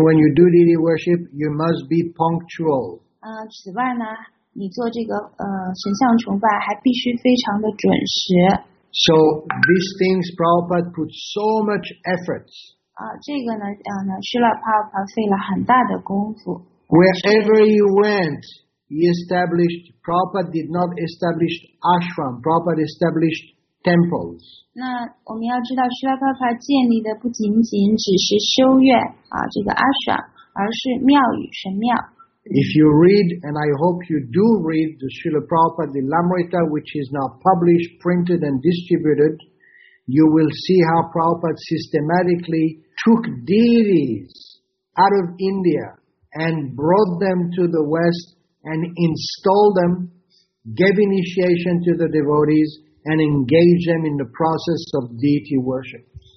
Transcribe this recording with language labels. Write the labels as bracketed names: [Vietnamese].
[English] when you do deity worship, you must be punctual. [Chinese] 此外呢，你做这个神像崇拜还必须非常的准时。 [English] So these things Prabhupada put so much efforts. [Chinese] 这个呢，Srila Prabhupada费了很大的功夫。 [English] Wherever he went, he established, Prabhupada did not establish ashram, Prabhupada established temples. [Chinese] 那我们要知道，Srila Prabhupada建立的不仅仅只是修院，这个ashram，而是庙宇，神庙。 [English] If you read, and I hope you do read, the Srila Prabhupada Lilamrita, which is now published, printed, and distributed, you will see how Prabhupada systematically took deities out of India and brought them to the West and installed them, gave initiation to the devotees, and engaged them in the process of deity worship.